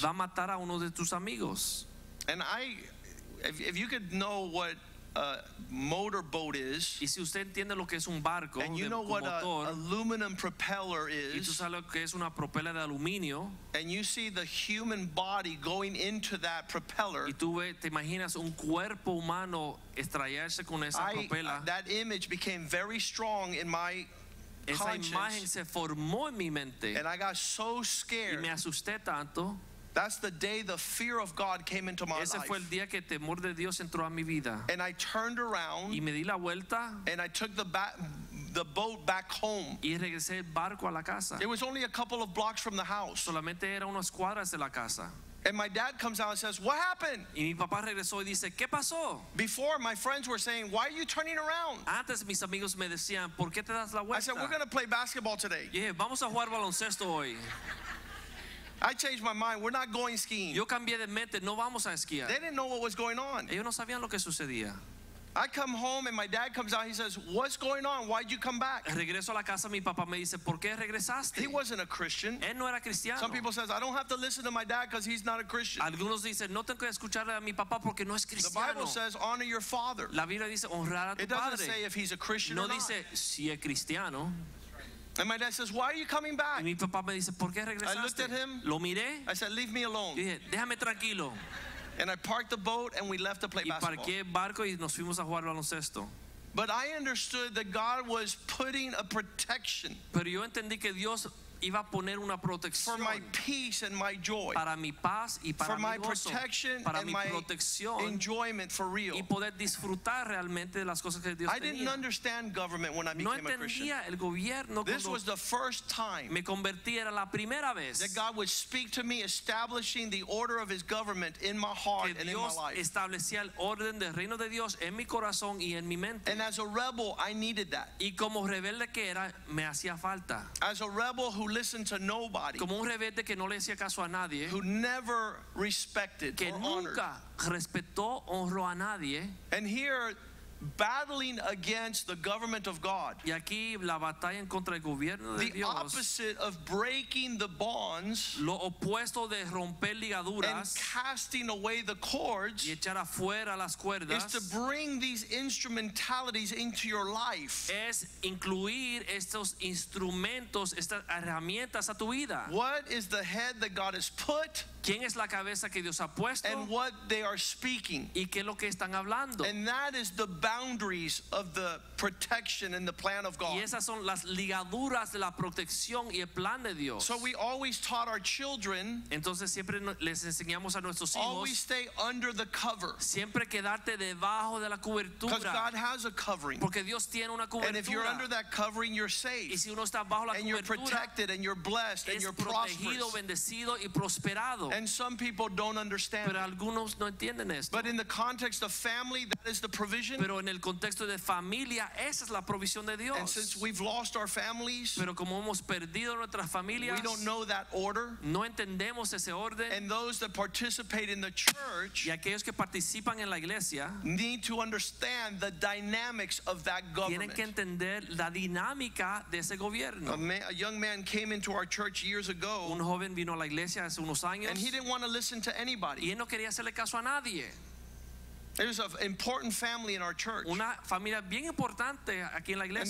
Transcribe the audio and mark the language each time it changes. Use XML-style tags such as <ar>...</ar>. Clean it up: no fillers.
<es>Va a matar a uno de tus amigos.</es> <en>And if you could know what motorboat is.</en> <es>Y si usted entiende lo que es un barco,</es> <en>and you know what motor, a aluminum propeller is.</en> <es>Y tú sabes lo que es una propela de aluminio.</es> <en>And you see the human body going into that propeller.</en> <es>Y tú te imaginas un cuerpo humano estrellarse con esa propela.</es> <en>That image became very strong in my</en> <es>esa</es> <en>conscience.</en> <es>Esa imagen se formó en mi mente.</es> <en>And I got so scared.</en> <es>Y me asusté tanto.</es> <en>That's the day the fear of God came into my life.</en> <es>Ese fue el día que temor de Dios entró a mi vida.</es> <en>And I turned around.</en> <es>Y me di la vuelta.</es> <en>And I took the boat back home.</en> <es>Y regresé el barco a la casa.</es> <en>It was only a couple of blocks from the house.</en> <es>Solamente era unas cuadras de la casa.</es> <en>And my dad comes out and says, "What happened?"</en> <es>Y mi papá regresó y dice, "¿Qué pasó?"</es> <en>Before my friends were saying, "Why are you turning around?"</en> <es>Antes mis amigos me decían, "¿Por qué te das la vuelta?"</es> <en>I said, "We're going to play basketball today."</en> <es>Yeah, vamos a jugar baloncesto hoy.</es> <en>I changed my mind. We're not going skiing.</en> <es>Yo cambié de mente. No vamos a esquiar.</es> <en>They didn't know what was going on.</en> <es>Ellos no sabían lo que sucedía.</es> <en>I come home and my dad comes out. He says, "What's going on? Why'd you come back?"</en> <es>Regreso a la casa. Mi papá me dice, "¿Por qué regresaste?"</es> <en>He wasn't a Christian.</en> <es>Él no era cristiano.</es> <en>Some people says, "I don't have to listen to my dad because he's not a Christian."</en> <es>Algunos dicen, "No tengo que escucharle a mi papá porque no es cristiano."</es> <en>The Bible says, "Honor your father."</en> <es>La Biblia dice, honrar a tu padre.</es> <en>It doesn't say if he's a Christian or not.</en> <es>No dice si es cristiano.</es> <en>And my dad says, "Why are you coming back?"</en> <es>Y mi papá me dice, "¿Por qué regresaste?"</es> <en>I looked at him.</en> <es>Lo miré.</es> <en>I said, "Leave me alone."</en> <es>Dije, "Déjame tranquilo."</es> <en>And I parked the boat and we left to play basketball.</en> <es>Y parqué el barco y nos fuimos a jugar baloncesto.</es> <en>But I understood that God was putting a protection.</en> <es>Pero yo entendí que Dios iba a poner una protección.</es> <en>For my peace and my joy.</en> <es>Para mi paz y para</es> <en>for</en> <es>mi</es> <en>my</en> <es>gozo.</es> <en>Protection</en> <es>para</es> <en>and</en> <es>mi</es> <en>my</en> <es>protección.</es> <en>Enjoyment for real.</en> <es>Y poder disfrutar realmente de las cosas que Dios</es> <en>I</en> <es>tenía.</es> <en>Didn't understand government when I became</en> <es>no entendía</es> <en>a Christian.</en> <es>El gobierno</es> <en>this was the first time</en> <es>me convertí, era la primera vez</es> <en>that God would speak to me establishing the order of his government in my heart and in my life.</en> <es>Que Dios establecía el orden del reino de Dios en mi corazón y en mi mente.</es> <en>And as a rebel, I needed that.</en> <es>Y como rebelde que era, me hacía falta.</es> <en>As a rebel who listened to nobody,</en> <es>como un rebelde que no le hacía caso a nadie,</es> <en>who never respected</en> <es>que</es> <en>or</en> <es>nunca</es> <en>honored.</en> <es>Respetó, honró a nadie.</es> <en>And here, battling against the government of God,</en> <es>y aquí, la batalla en contra el gobierno de</es> <en>the</en> <es>Dios,</es> <en>opposite of breaking the bonds,</en> <es>lo opuesto de romper ligaduras,</es> <en>and casting away the cords,</en> <es>y echar afuera las cuerdas,</es> <en>is to bring these instrumentalities into your life.</en> <es>Es incluir estos instrumentos, estas herramientas a tu vida.</es> <en>What is the head that God has put?</en> <es>¿Quién es la cabeza que Dios ha puesto?</es> <en>And what they are speaking.</en> <es>¿Y qué es lo que están hablando?</es> <en>And that is the boundaries of the protection and the plan of God.</en> <es>Y esas son las ligaduras de la protección y el plan de Dios.</es> <en>So we always taught our children.</en> <es>Entonces siempre les enseñamos a nuestros hijos.</es> <en>Always stay under the cover.</en> <es>Siempre quedarte debajo de la cobertura.</es> <en>Because God has a covering.</en> <es>Porque Dios tiene una cobertura.</es> <en>And if you're under that covering, you're safe.</en> <es>Y si uno está bajo la</es> <en>cobertura, you're protected and you're blessed and you're</en> <es>prosperous. Es protegido, bendecido y prosperado.</es> <en>And some people don't understand.</en> <es>Pero algunos no entienden esto.</es> <en>But in the context of family, that is the provision.</en> <es>Pero en el contexto de familia, esa es la provisión de Dios.</es> <en>And since we've lost our families,</en> <es>pero como hemos perdido nuestras familias,</es> <en>we don't know that order.</en> <es>No entendemos ese orden.</es> <en>And those that participate in the church,</en> <es>y aquellos que participan en la iglesia,</es> <en>need to understand the dynamics of that government.</en> <es>Tienen que entender la dinámica de ese gobierno.</es> <en>A young man came into our church years ago.</en> <es>Un joven vino a la iglesia hace unos años.</es> <en>And he didn't want to listen to anybody.</en> <es>Y él no quería hacerle caso a nadie.</es> <en>It was an important family in our church.</en> <es>Una familia bien importante aquí en la iglesia.</es>